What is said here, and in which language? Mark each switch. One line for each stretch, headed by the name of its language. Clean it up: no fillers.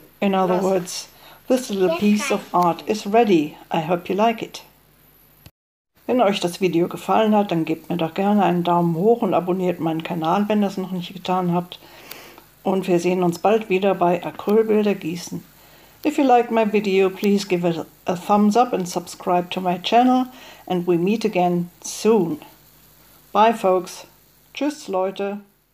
English: In other words, this little piece of art is ready. I hope you like it.
German: Wenn euch das Video gefallen hat, dann gebt mir doch gerne einen Daumen hoch und abonniert meinen Kanal, wenn ihr es noch nicht getan habt. Und wir sehen uns bald wieder bei Acrylbilder gießen.
English: If you liked my video, please give it a thumbs up and subscribe to my channel, and we meet again soon. Bye, folks.
German: Tschüss, Leute.